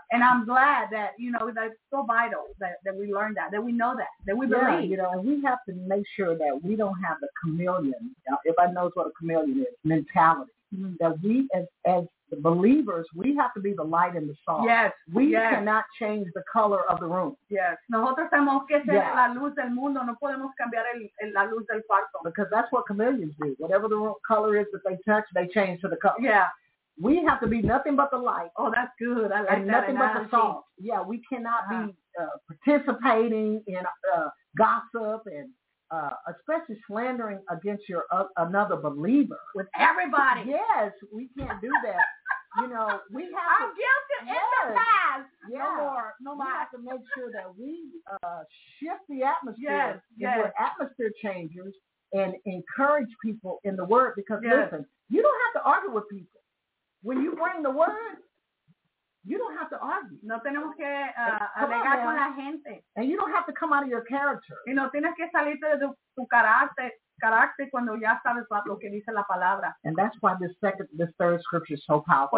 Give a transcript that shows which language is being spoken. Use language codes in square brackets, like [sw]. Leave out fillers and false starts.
[en] And I'm glad that, you know, that's so vital that we learned that we know that we believe. Yeah, you know, and we have to make sure that we don't have the chameleon, everybody knows what a chameleon is, mentality. Mm-hmm. That we, as the believers, we have to be the light and the salt. Yes. We cannot change the color of the room. Yes. [es] Nosotros tenemos que ser la luz del mundo. No podemos cambiar la luz del cuarto. [en] Because that's what chameleons do. Whatever the color is that they touch, they change to the color. Yeah. We have to be nothing but the light. Oh, that's good. I like and that. Nothing analogy. But the salt. Yeah, we cannot be participating in gossip and especially slandering against your another believer. With everybody. Yes, we can't do that. You know, we have I'm I'm guilty yes. in the past. Yes. No more. We have to make sure that we shift the atmosphere. Yes. We're atmosphere changers and encourage people in the word because, yes. listen, you don't have to argue with people. When you bring the word, you don't have to argue. [es] No tenemos que alegar con la gente. [en] And you don't have to come out of your character. [es] Y no tienes que salirte de tu carácter cuando ya sabes lo que dice la palabra. [en] And that's why this third scripture is so powerful.